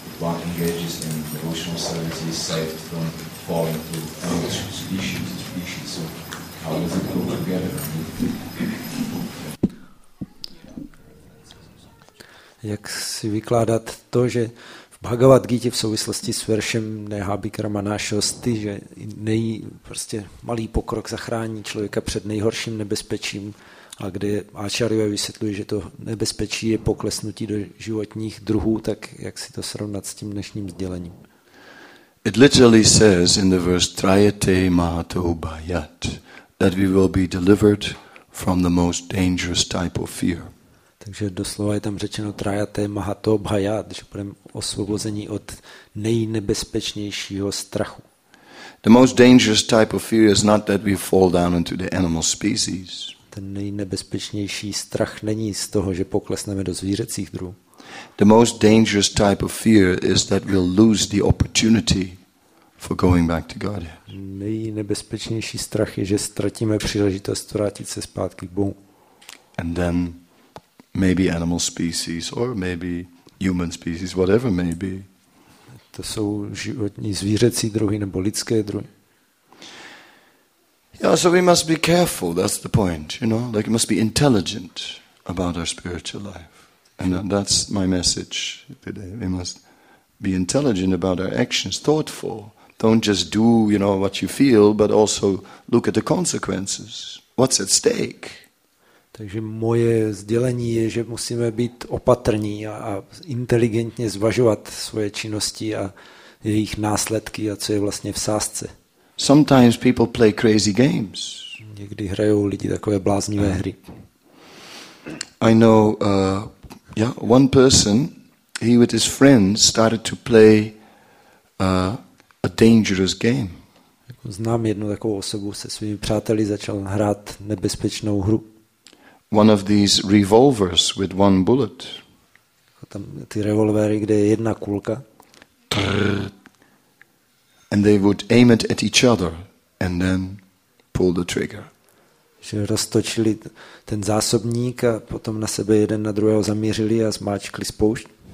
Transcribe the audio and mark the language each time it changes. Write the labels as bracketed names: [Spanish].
[English] One engages in devotional service, he is saved from falling to species to species. So how does it go together? [Czech] Jak si vykládat to, že v Bhagavad Gita v souvislosti s veršem Nehabikramanášosti, že prostě malý pokrok zachrání člověka před nejhorším nebezpečím, a kde Ačarjové vysvětluje, že to nebezpečí je poklesnutí do životních druhů, tak jak si to srovnat s tím dnešním sdělením? [English] It literally says in the verse Trayate Mahato Bhayat that we will be delivered from the most dangerous type of fear. [Czech] Takže doslova je tam řečeno Trayate Mahato Bhayat, že budeme osvobození od nejnebezpečnějšího strachu. [English] The most dangerous type of fear is not that we fall down into the animal species. [Czech] Ten nejnebezpečnější strach není z toho, že poklesneme do zvířecích druhů. [English] The most dangerous type of fear is that we'll lose the opportunity for going back to God. [Czech] Nejnebezpečnější strach je, že ztratíme příležitost vrátit se zpátky k Bohu. [English] And then maybe animal species or maybe human species, whatever may be. [Czech] To jsou životní zvířecí druhy nebo lidské druhy. [English] Yeah, so we must be careful, that's the point, you know? Like, we must be intelligent about our spiritual life. And that's my message today. We must be intelligent about our actions, thoughtful. Don't just do, you know, what you feel, but also look at the consequences. What's at stake? [Czech] Takže moje sdělení je, že musíme být opatrní a inteligentně zvažovat svoje činnosti a jejich následky a co je vlastně v sázce. [English] Sometimes people play crazy games. [Czech] Někdy hrajou lidi takové bláznivé hry. [English] I know, one person, he with his friends started to play a dangerous game. [Czech] Znám jednu takovou osobu, se svými přáteli začal hrát nebezpečnou hru. [English] One of these revolvers with one bullet. [Czech] Tam ty revolvery, kde je jedna kulka. [English] And they would aim it at each other and then pull the trigger. [Czech] Že roztočili ten zásobník a potom na sebe jeden na druhého zamířili a zmáčkli spoušť.